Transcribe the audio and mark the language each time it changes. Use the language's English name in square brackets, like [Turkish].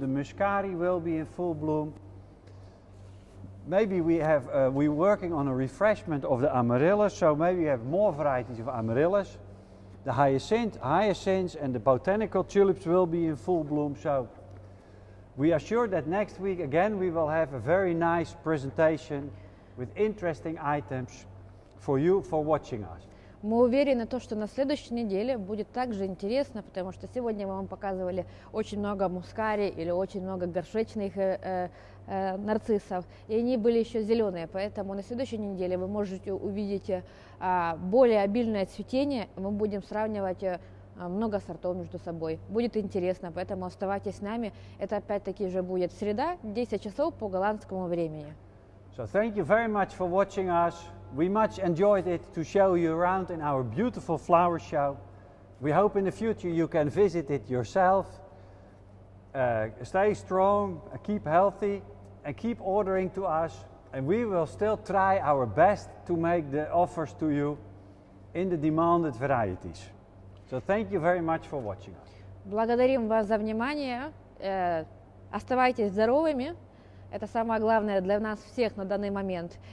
[English] The muscari will be in full bloom. Maybe we're working on a refreshment of the amaryllis, so maybe we have more varieties of amaryllis. The hyacinths and the botanical tulips will be in full bloom, so we are sure that next week again we will have a very nice presentation with interesting items for you for watching us. [Russian] Мы уверены, что на следующей неделе будет также интересно, потому что сегодня мы вам показывали очень много мускари или очень много горшечных нарциссов, и они были еще зеленые, поэтому на следующей неделе вы можете увидеть более обильное цветение, мы будем сравнивать много сортов между собой. Будет интересно, поэтому оставайтесь с нами, это опять-таки же будет среда, 10 часов по голландскому времени. [English] So thank you very much for watching us. We much enjoyed it to show you around in our beautiful flower show. We hope in the future you can visit it yourself. Stay strong, keep healthy, and keep ordering to us. And we will still try our best to make the offers to you in the demanded varieties. So thank you very much for watching us. [Russian] Благодарим вас за внимание. Оставайтесь здоровыми. Это самое главное для нас всех на данный момент.